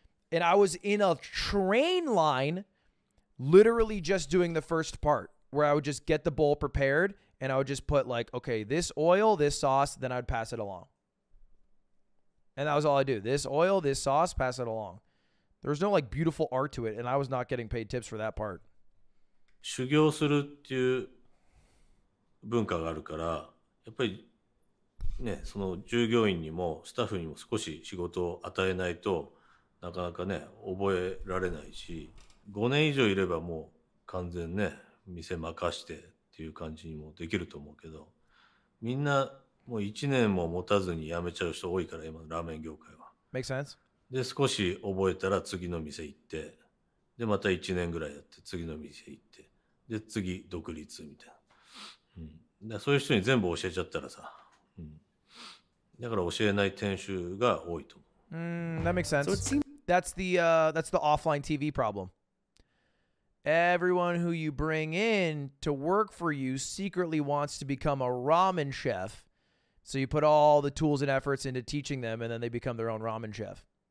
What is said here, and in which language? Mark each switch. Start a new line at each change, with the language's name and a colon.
English: And I was in a train line, literally just doing the first part where I would just get the bowl prepared and I would just put like, okay, this oil, this sauce, then I'd pass it along. And that was all I do. This oil, this sauce, pass it along. There was no like beautiful art to it, and I was not getting paid tips for that part.
Japanese: 修行するっていう文化があるから、やっぱりね、その従業員にもスタッフにも少し仕事を与えないとなかなかね、覚えられないし、5年以上いればもう完全ね、店任してっていう感じにもできると思うけど、みんなもう1年も持たずに辞めちゃう人多いから、今のラーメン業界は。
English: Makes sense?
Japanese: で少し覚えたら次の店行ってでまた1年ぐらいやって次の店行ってで次独立みたいな、うん、でそういう人に全部教えちゃったらさ、うん、だから教えない店主が多いと思う、
English: That makes sense. That's the offline TV problem. Everyone who you bring in to work for you secretly wants to become a ramen chef. So you put all the tools and efforts into teaching them and then they become their own ramen chef.